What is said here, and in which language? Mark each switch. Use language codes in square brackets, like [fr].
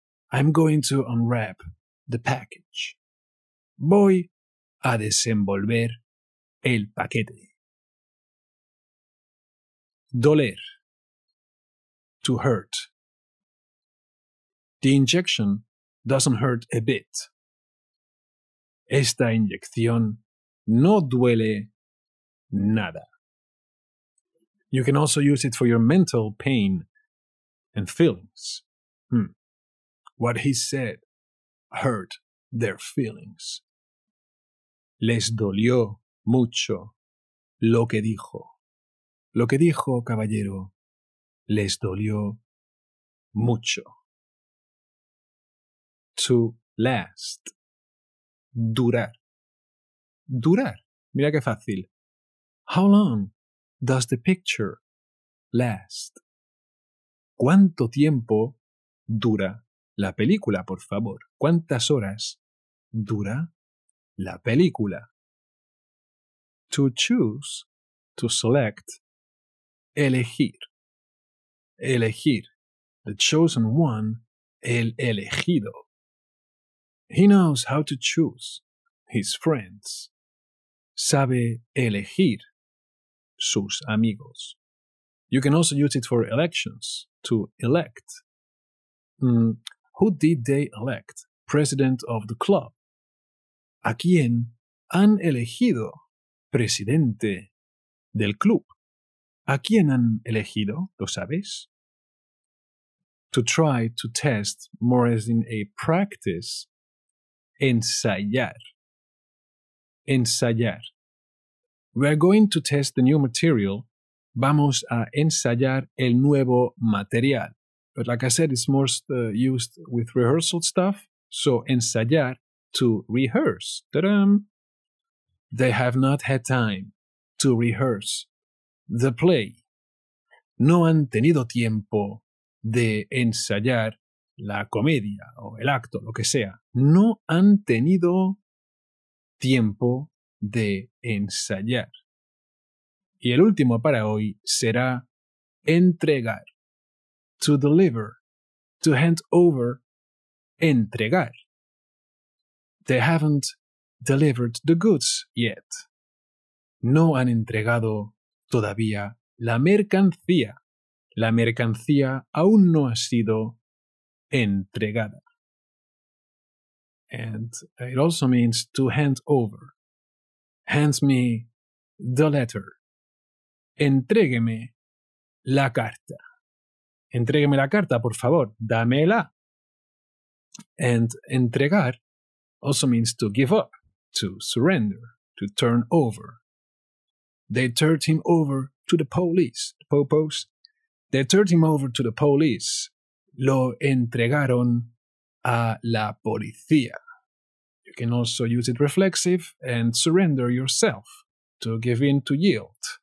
[en] I'm going to unwrap the package. [es] Voy a desenvolver el paquete. [en] Doler. To hurt. The injection doesn't hurt a bit. [es] Esta inyección no duele nada. [en] You can also use it for your mental pain and feelings. What he said hurt their feelings. [es] Les dolió mucho lo que dijo. Lo que dijo, caballero, les dolió mucho. [en] To last. [es] Durar. Durar. Mira qué fácil. [en] How long does the picture last? [es] ¿Cuánto tiempo dura la película, por favor? ¿Cuántas horas dura la película? [en] To choose, to select, elegir. [es] Elegir. [en] The chosen one, [es] el elegido. [en] He knows how to choose his friends. [es] Sabe elegir sus amigos. [en] You can also use it for elections, to elect. Who did they elect? President of the club. [es] ¿A quién han elegido presidente del club? ¿A quién han elegido? ¿Lo sabes? [en] To try, to test, more as in a practice. Ensayar. Ensayar. We are going to test the new material. [es] Vamos a ensayar el nuevo material. [en] But like I said, it's most used with rehearsal stuff. So ensayar, to rehearse. Ta-dam! They have not had time to rehearse the play. [es] No han tenido tiempo de ensayar la comedia o el acto, lo que sea. No han tenido tiempo de ensayar. Y el último para hoy será entregar. [en] To deliver. To hand over. Entregar. They haven't delivered the goods yet. [es] No han entregado todavía la mercancía. La mercancía aún no ha sido entregada. [en] And it also means to hand over. Hand me the letter. [es] Entrégueme la carta. Entrégueme la carta, por favor. Dámela. [en] And entregar also means to give up, to surrender, to turn over. They turned him over to the police. The popos. They turned him over to the police. [es] Lo entregaron a la policía. [en] You can also use it reflexive and surrender yourself, to give in, to yield.